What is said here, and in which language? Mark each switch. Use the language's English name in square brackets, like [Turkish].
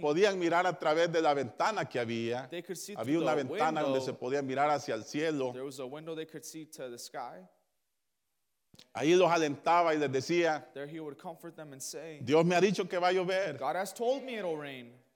[Spanish] Podían mirar a través de la ventana que había. [English] They could see [Spanish] había una [English] the [Spanish] ventana [English] window. [Spanish] Donde se podía mirar hacia el cielo. [English] There was a window they could see to the sky. [Spanish] Ahí los alentaba y les decía, [English] there he would comfort them and say, [Spanish] Dios me ha dicho que va a llover. [English] God has told me it'll rain.